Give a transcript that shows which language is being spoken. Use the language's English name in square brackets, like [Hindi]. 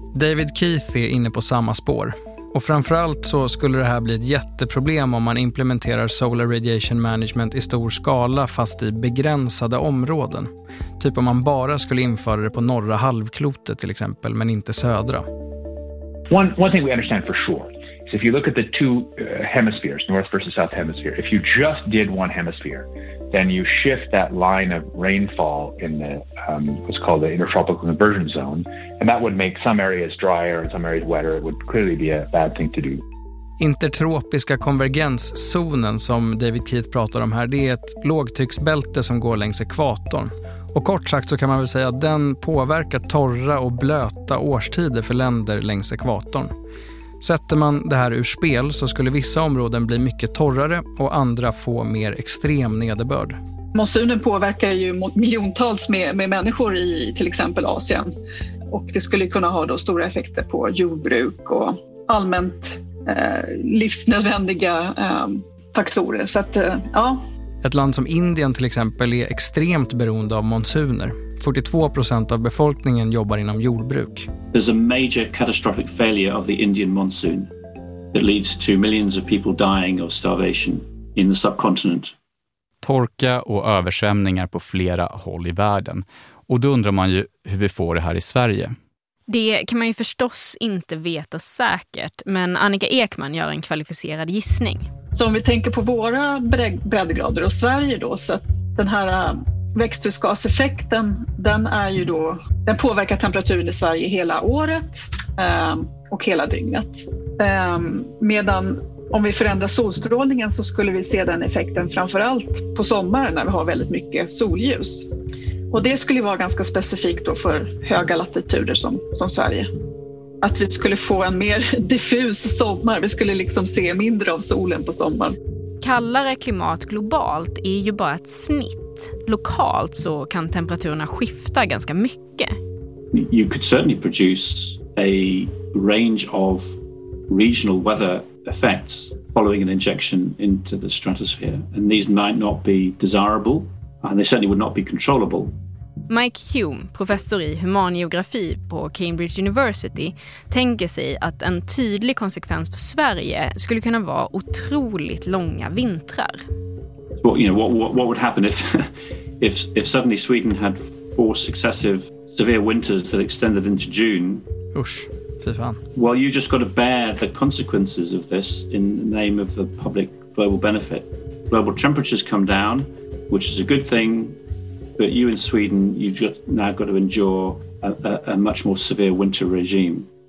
[Swedish] David Keith är inne på samma spår. Och framförallt så skulle det här bli ett jätteproblem om man implementerar solar radiation management i stor skala fast i begränsade områden. Typ om man bara skulle införa det på norra halvklotet till exempel, men inte södra. [English] One thing we understand for sure is if you look at the two hemispheres, north versus south hemisphere, if you just did one hemisphere, then you shift that line of rainfall in the what's called the intertropical convergence zone, and that would make some areas drier and some areas wetter. It would clearly be a bad thing to do. [Swedish] Intertropiska konvergenszonen som David Keith pratar om här, det är ett lågtrycksbälte som går längs ekvatorn. Och kort sagt så kan man väl säga att den påverkar torra och blöta årstider för länder längs ekvatorn. Sätter man det här ur spel så skulle vissa områden bli mycket torrare och andra få mer extrem nederbörd. Monsunen påverkar ju miljontals med människor i till exempel Asien. Och det skulle kunna ha då stora effekter på jordbruk och allmänt livsnödvändiga faktorer. Så att, ja. Ett land som Indien till exempel är extremt beroende av monsuner. 42% av befolkningen jobbar inom jordbruk. [English] There's a major catastrophic failure of the Indian monsoon that leads to millions of people dying of starvation in the subcontinent. [Swedish] Torka och översvämningar på flera håll i världen. Och då undrar man ju hur vi får det här i Sverige. Det kan man ju förstås inte veta säkert, men Annika Ekman gör en kvalificerad gissning. Så om vi tänker på våra breddgrader och Sverige då, så att den här växthusgaseffekten, den är ju då, den påverkar temperaturen i Sverige hela året och hela dygnet. Medan om vi förändrar solstrålningen så skulle vi se den effekten framförallt på sommaren när vi har väldigt mycket solljus. Och det skulle vara ganska specifikt då för höga latituder som Sverige. Att vi skulle få en mer diffus sommar. Vi skulle liksom se mindre av solen på sommaren. Kallare klimat globalt är ju bara ett snitt. Lokalt så kan temperaturerna skifta ganska mycket. [English] You could certainly produce a range of regional weather effects following an injection into the stratosphere. And these might not be desirable. And they certainly would not be controllable. [Swedish] Mike Hume, professor i humangeografi på Cambridge University, tänker sig att en tydlig konsekvens för Sverige skulle kunna vara otroligt långa vintrar. [English] Well, you know, what would happen if suddenly Sweden had four successive severe winters that extended into June? [Swedish] Usch, fy fan. [English] Well, you just got to bear the consequences of this in the name of the public global benefit. Global temperatures come down, which is a good thing, but you in Sweden, you've just now got to endure a much more severe winter regime.